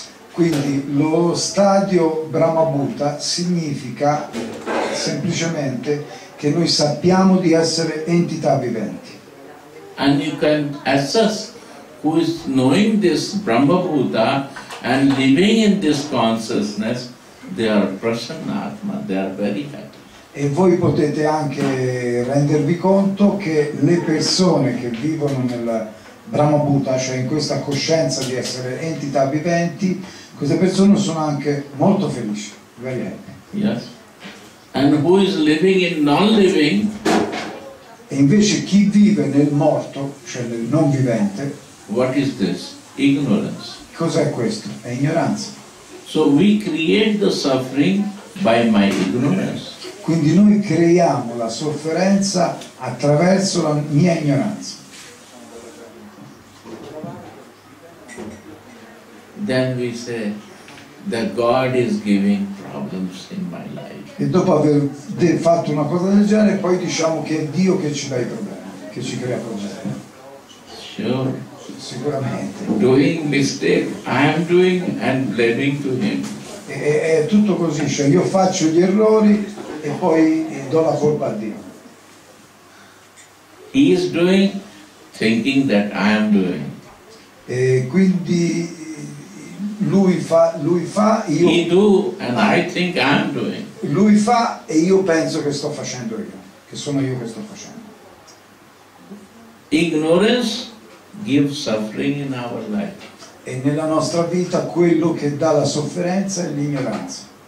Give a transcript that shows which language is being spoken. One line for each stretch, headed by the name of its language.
Italian: Quindi lo stadio Brahma Bhuta significa semplicemente che noi sappiamo di essere entità viventi.
English: And you can assess who is knowing this Brahma Bhuta and living in this consciousness, they are prasannatma, they are very happy.
Italian: E voi potete anche rendervi conto che le persone che vivono nel Brahma Bhuta, cioè in questa coscienza di essere entità viventi, queste persone sono anche molto felici,
English: very happy. Yes. And who is living in non-living?
Italian: E invece chi vive nel morto, cioè nel non vivente,
English: what is this? Ignorance.
Italian: Cos'è questo? È ignoranza.
English: So we create the suffering by my ignorance.
Italian: Quindi noi creiamo la sofferenza attraverso la mia ignoranza.
English: Then we say that God is giving problems in my life.
Italian: E dopo aver fatto una cosa del genere, poi diciamo che è Dio che ci dà i problemi, che ci crea problemi.
English: Sure.
Italian: Sicuramente.
English: Doing mistake, I am doing and blaming to him.
Italian: È tutto così, cioè io faccio gli errori e poi do la colpa a Dio.
English: He is doing, thinking that I am doing.
Italian: E quindi lui fa, io.
English: He do and I think I am doing.
Italian: Lui fa e io penso che sto facendo io, che sono io che sto facendo.
English: Ignorance gives suffering in our life.
Italian: E nella nostra vita quello che dà la sofferenza è l'ignoranza.